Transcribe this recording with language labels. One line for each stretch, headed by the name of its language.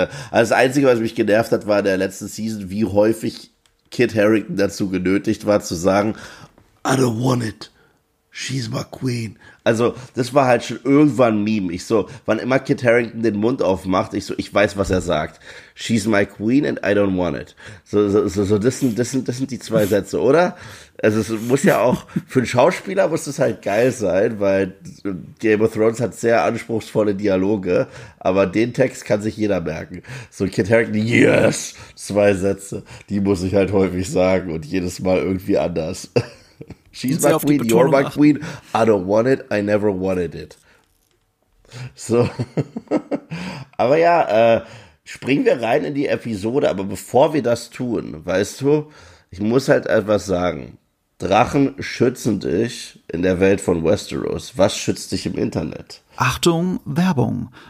German: Das Einzige, was mich genervt hat, war in der letzten Season, wie häufig Kit Harington dazu genötigt war, zu sagen,
English: I don't want it, she's my queen.
German: Also, das war halt schon irgendwann Meme. Ich so, wann immer Kit Harington den Mund aufmacht, ich so, ich weiß, was er sagt.
English: She's my queen and I don't want it.
German: So, das sind die zwei Sätze, oder? Also, es muss ja auch, für einen Schauspieler muss das halt geil sein, weil Game of Thrones hat sehr anspruchsvolle Dialoge, aber den Text kann sich jeder merken. So, Kit Harington, yes, zwei Sätze, die muss ich halt häufig sagen und jedes Mal irgendwie anders.
English: She's my queen, you're my queen, I don't want it, I never wanted it.
German: So. Aber ja, springen wir rein in die Episode, aber bevor wir das tun, weißt du, ich muss halt etwas sagen. Drachen schützen dich in der Welt von Westeros. Was schützt dich im Internet? Achtung, Werbung.